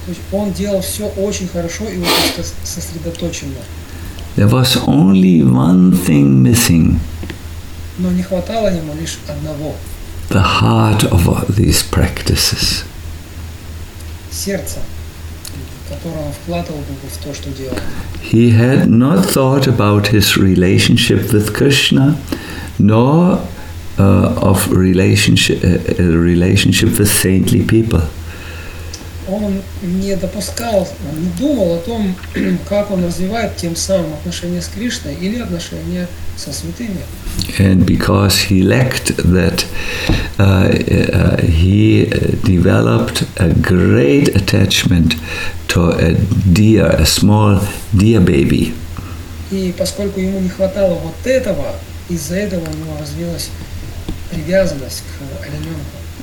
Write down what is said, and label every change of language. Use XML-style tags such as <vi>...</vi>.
<ru>То есть он делал все очень хорошо и очень сосредоточенно.</ru> <en>There was only one thing missing.</en> <ru>Но не хватало ему лишь одного.</ru> <en>The heart of all these practices.</en> <ru>Сердце, которое он вкладывал бы в то, что делал.</ru> <en>He had not thought about his relationship with Krishna, nor of relationship with saintly people.</en> <ru>Он не допускал, он не думал о том, как он развивает тем самым отношения с Кришной или отношения со святыми.</ru> <en>And because he lacked that, he developed a great attachment to a deer, a small deer baby.</en> <ru>И поскольку ему не хватало вот этого, из-за этого у него развилась привязанность к олененку.</ru>